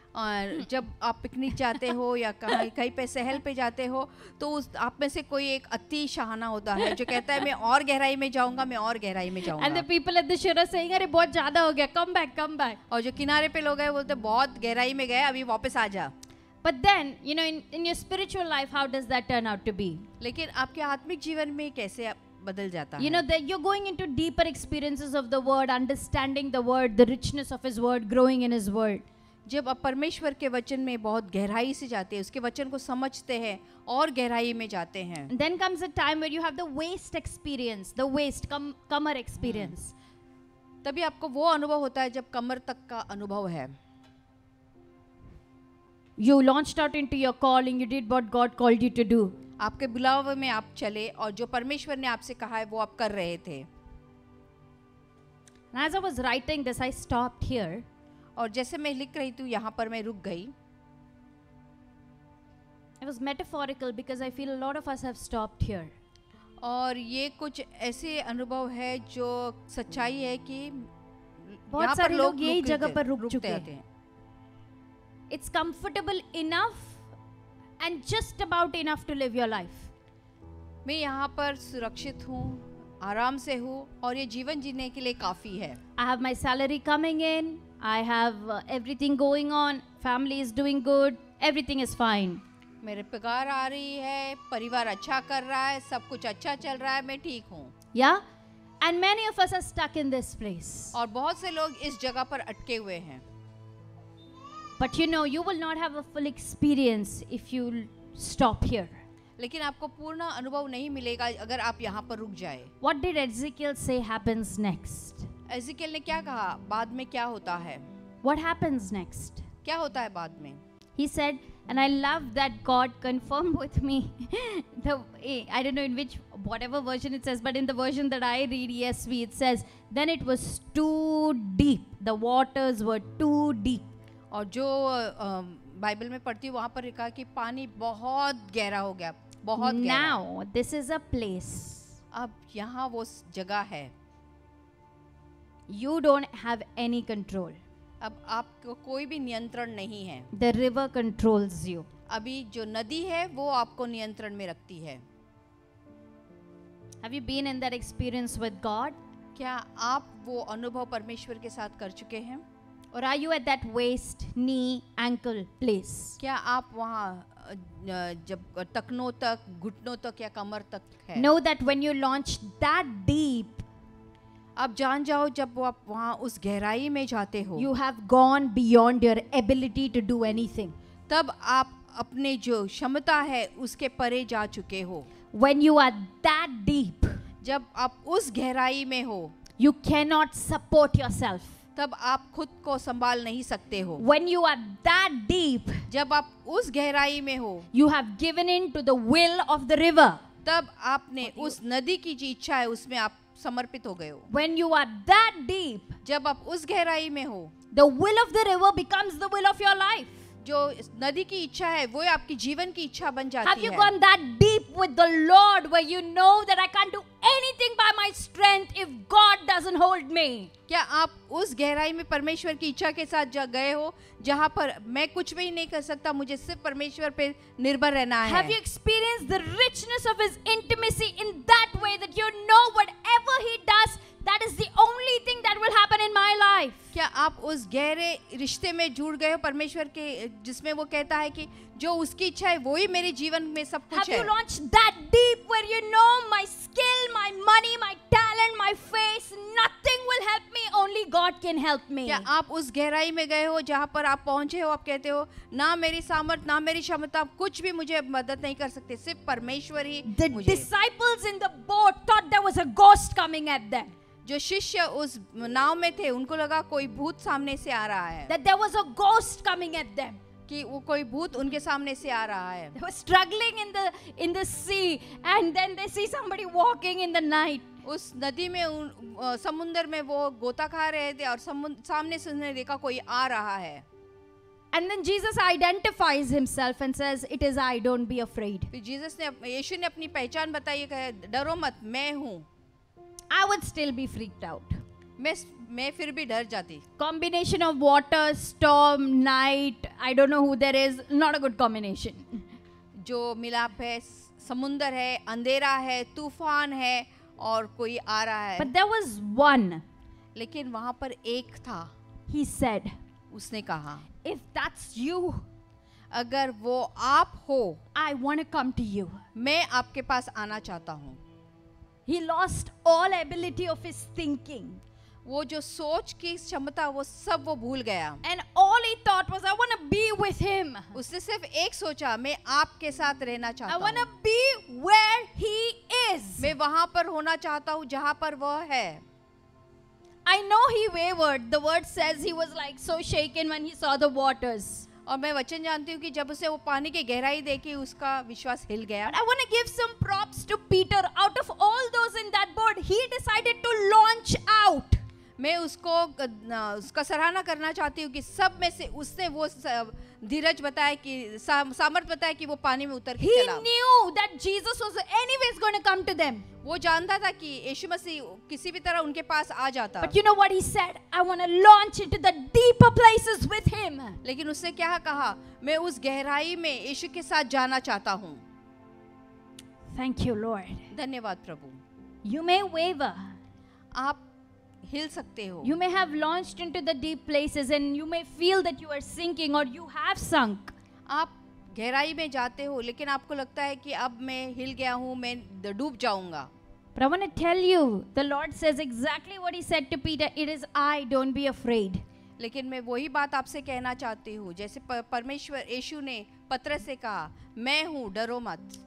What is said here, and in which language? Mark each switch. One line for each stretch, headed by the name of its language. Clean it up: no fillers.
Hindi: और जब आप पिकनिक जाते हो या कहीं पे सहल पे जाते हो तो उस आप में से कोई एक अति शाहाना होता है जो कहता है मैं और गहराई में जाऊंगा
English: and the people at the shore are saying
Hindi: अरे बहुत ज्यादा हो गया
English: come back
Hindi: और जो किनारे पे लोग हैं बोलते बहुत गहराई में गए अभी वापस आ जा
English: But then, you know, in your spiritual life, how does that turn out to be?
Hindi: लेकिन आपके आत्मिक जीवन में कैसे बदल जाता है?
English: You know, that you're going into deeper experiences of the word, understanding the word, the richness of his word, growing in his word.
Hindi: जब आप परमेश्वर के वचन में बहुत गहराई से जाते हैं, उसके वचन को समझते हैं और गहराई में जाते हैं.
English: And then comes a time where you have the waist experience, the waist, kamar experience.
Hindi: तभी आपको वो अनुभव होता है जब कमर तक का अनुभव है.
English: You launched out into your calling. You did what God called you to do.
Hindi: आपके बुलाव में आप चले और जो परमेश्वर ने आपसे कहा है वो आप कर रहे थे.
English: As I was writing this, I stopped here.
Hindi: और जैसे मैं लिख रही थी यहाँ पर मैं रुक गई.
English: It was metaphorical because I feel a lot of us have stopped here.
Hindi: और ये कुछ ऐसे अनुभव है जो सच्चाई है कि बहुत सारे लोग यही जगह पर रुक चुके हैं.
English: It's comfortable enough and just about enough to live your life.
Hindi: मैं यहाँ पर सुरक्षित हूँ, आराम से हूँ और ये जीवन जीने के लिए काफी है.
English: I have my salary coming in. I have everything going on. Family is doing good. Everything is fine.
Hindi: मेरे पगार आ रही है, परिवार अच्छा कर रहा है, सब कुछ अच्छा चल रहा है, मैं ठीक हूँ.
English: Yeah. And many of us are stuck in this place.
Hindi: और बहुत से लोग इस जगह पर अटके हुए हैं.
English: But you know, you will not have a full experience if you stop here.
Hindi: लेकिन आपको पूर्ण अनुभव नहीं मिलेगा अगर आप यहाँ पर रुक जाए.
English: What did Ezekiel say happens next?
Hindi: Ezekiel ने क्या कहा? बाद में क्या होता है?
English: What happens next?
Hindi: क्या होता है बाद में?
English: He said, and I love that God confirmed with me. I don't know in which, whatever version it says, but in the version that I read, ESV, it says, then it was too deep. The waters were too deep.
Hindi: और जो Bible में पढ़ती हूँ वहाँ पर लिखा कि पानी बहुत गहरा हो गया बहुत गहरा.
English: Now this is a place.
Hindi: अब यहाँ वो जगह है.
English: You don't have any control.
Hindi: अब आपको कोई भी नियंत्रण नहीं है.
English: The river controls you.
Hindi: अभी जो नदी है वो आपको नियंत्रण में रखती है.
English: Have you been in that experience with God?
Hindi: क्या आप वो अनुभव परमेश्वर के साथ कर चुके हैं?
English: Or are you at that waist, knee, ankle place?
Hindi: क्या आप वहाँ जब तकनों तक, घुटनों तक या कमर तक है?
English: Know that when you launch that deep,
Hindi: अब जान जाओ जब आप वहाँ उस गहराई में जाते हो.
English: You have gone beyond your ability to do anything.
Hindi: तब आप अपने जो क्षमता है उसके परे जा चुके हो.
English: When you are that deep,
Hindi: जब आप उस गहराई में हो,
English: you cannot support yourself.
Hindi: तब आप खुद को संभाल नहीं सकते हो.
English: When you are that deep,
Hindi: जब आप उस गहराई में हो,
English: you have given in to the will of the river.
Hindi: तब आपने उस नदी की जो इच्छा है उसमें आप समर्पित हो गए हो.
English: When you are that deep,
Hindi: जब आप उस गहराई में हो,
English: the will of the river becomes the will of your life.
Hindi: जो नदी की इच्छा है वो आपकी जीवन की इच्छा बन जाती है.
English: Have you gone that deep with the Lord where you know that I can't do anything by my strength if God doesn't hold me?
Hindi: क्या आप उस गहराई में परमेश्वर की इच्छा के साथ गए हो जहां पर मैं कुछ भी नहीं कर सकता, मुझे सिर्फ परमेश्वर पे निर्भर रहना है?
English: Have you experienced the richness of his intimacy in that way that you know whatever he does, that is the only thing that will happen in my life?
Hindi: क्या आप उस गहरे रिश्ते में जुड़ गए हो परमेश्वर के, जिसमें वो कहता है कि जो उसकी इच्छा है वही मेरे जीवन में सब कुछ है?
English: Have you launched that deep where you know my skill, my money, my talent, my face, nothing will help me, only God can help me?
Hindi: क्या आप उस गहराई में गए हो जहां पर आप पहुंचे हो, आप कहते हो ना मेरी सामर्थ्य ना मेरी क्षमता कुछ भी मुझे मदद नहीं कर सकते, सिर्फ परमेश्वर ही मुझे.
English: The disciples in the boat thought there was a ghost coming at them.
Hindi: जो शिष्य उस नाव में थे उनको लगा कोई भूत सामने से आ रहा है.
English: That there was a ghost coming at them.
Hindi: कि वो कोई भूत उनके सामने से आ रहा है.
English: They were struggling in the sea and then they see somebody walking in the night.
Hindi: उस नदी में समुंदर में वो गोता खा रहे थे और सामने से उन्होंने देखा कोई आ रहा है.
English: And then Jesus identifies himself and says, "It is I. Don't be afraid."
Hindi: Jesus ने यीशु ने अपनी पहचान बताई, कहे डरो मत, मैं हूँ.
English: I would still be freaked out.
Hindi: मैं फिर भी डर जाती.
English: Combination of water, storm, night. I don't know who there is. Not a good combination.
Hindi: जो मिलाप है, समुंदर है, अंधेरा है, तूफान है और कोई आ रहा है.
English: But there was one.
Hindi: लेकिन वहाँ पर एक था.
English: He said.
Hindi: उसने कहा.
English: If that's you.
Hindi: अगर वो आप हो.
English: I want to come to you.
Hindi: मैं आपके पास आना चाहता हूँ.
English: He lost all ability of his thinking.
Hindi: वो जो सोच की क्षमता वो सब वो भूल गया.
English: And all he thought was, I want to be with him.
Hindi: उसने सिर्फ एक सोचा, मैं आपके साथ रहना चाहता
English: हूँ. I want to be where he is.
Hindi: मैं वहाँ पर होना चाहता हूँ जहाँ पर वो है.
English: I know he wavered. The word says he was like so shaken when he saw the waters.
Hindi: और मैं वचन जानती हूँ कि जब उसे वो पानी की गहराई देखी उसका विश्वास हिल गया.
English: But I want to give some props to Peter. Out of all those in that boat, he decided to launch out.
Hindi: मैं उसको उसका सराहना करना चाहती हूँ कि सब में से उसने वो धीरज बताया कि सामर्थ्य बताया कि वो पानी में उतर के चला.
English: He knew that Jesus was anyways going to come to them.
Hindi: वो जानता था कि यीशु मसीह किसी भी तरह उनके पास आ जाता.
English: But you know what he said? I want to launch into the deeper places with him.
Hindi: लेकिन उसने क्या कहा? मैं उस गहराई में यीशु के साथ जाना चाहता हूँ.
English: Thank you, Lord.
Hindi: धन्यवाद प्रभु.
English: You may waver.
Hindi: आप हिल सकते हो.
English: You may have launched into the deep places and you may feel that you are sinking or you have sunk.
Hindi: आप गहराई में जाते हो लेकिन आपको लगता है कि अब मैं हिल गया हूँ, मैं डूब जाऊंगा.
English: But I want to tell you, the Lord says exactly what he said to Peter, it is I, don't be afraid.
Hindi: लेकिन मैं वही बात आपसे कहना चाहती हूँ जैसे परमेश्वर यीशु ने पतरस से कहा, मैं हूँ, डरो मत.